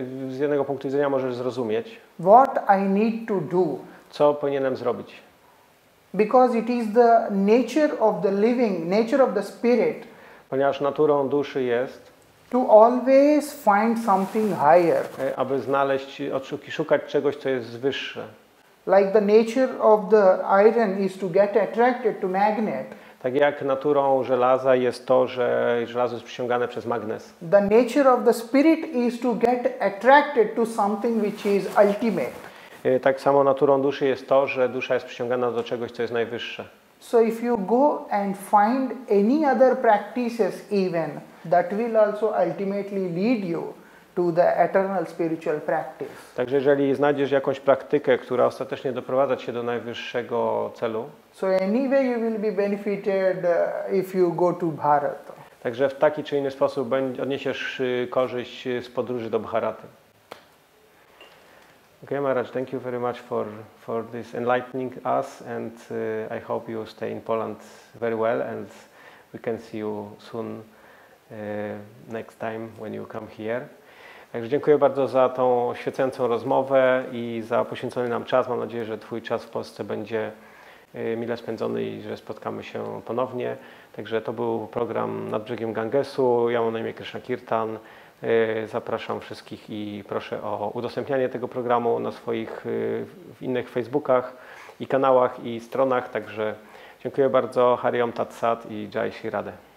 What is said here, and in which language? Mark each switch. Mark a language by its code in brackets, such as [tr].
[pl] Z jednego punktu widzenia możesz zrozumieć. [en] What I need to do. [pl] Co powinienem zrobić? [en] Because it is the nature of the living, nature of the spirit. [pl] Ponieważ naturą duszy jest. [en] To always find something higher. [pl] Aby znaleźć, szukać czegoś, co jest wyższe. [en] Like the nature of the iron is to get attracted to magnet. [pl] Tak jak naturą żelaza jest to, że żelazo jest przyciągane przez magnes. [en] The nature of the spirit is to get attracted to something which is ultimate. [pl] Tak samo naturą duszy jest to, że dusza jest przyciągana do czegoś, co jest najwyższe. [en] So if you go and find any other practices even, that will also ultimately lead you to the eternal spiritual practice. [pl] Także jeżeli znajdziesz jakąś praktykę, która ostatecznie doprowadza cię do najwyższego celu. [en] So anyway you will be benefited if you go to Bharat. [pl] Także w taki czy inny sposób odniesiesz korzyść z podróży do Bharaty. [en] Okay, Maharaj, thank you very much for this enlightening us, and I hope you stay in Poland very well, and we can see you soon next time when you come here. [pl] Także dziękuję bardzo za tą oświecającą rozmowę i za poświęcony nam czas. Mam nadzieję, że Twój czas w Polsce będzie mile spędzony i że spotkamy się ponownie. Także to był program Nad Brzegiem Gangesu. Ja mam na imię Krishnakirtan. Zapraszam wszystkich i proszę o udostępnianie tego programu na swoich w innych Facebookach i kanałach i stronach. Także dziękuję bardzo. [sa] Hari Om Tat Sat [pl] i [sa] Jai Shri Radhe.